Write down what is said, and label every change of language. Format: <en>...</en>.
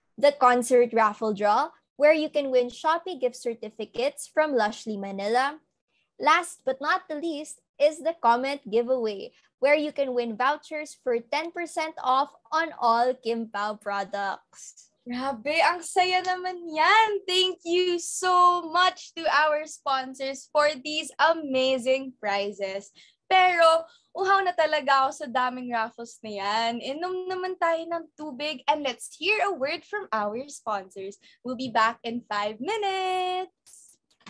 <en>The Concert Raffle Draw, where you can win Shopee gift certificates from Lushly Manila. Last but not the least is the Comment Giveaway, where you can win vouchers for 10% off on all Kimpao products.</en> <tl>Grabe, ang saya naman yan!</tl> <en>Thank you so much to our sponsors for these amazing prizes.</en> <tl>Pero, uhaw na talaga ako sa daming raffles na yan. Inom naman tayo ng tubig</tl> <en>and let's hear a word from our sponsors. We'll be back in 5 minutes!</en>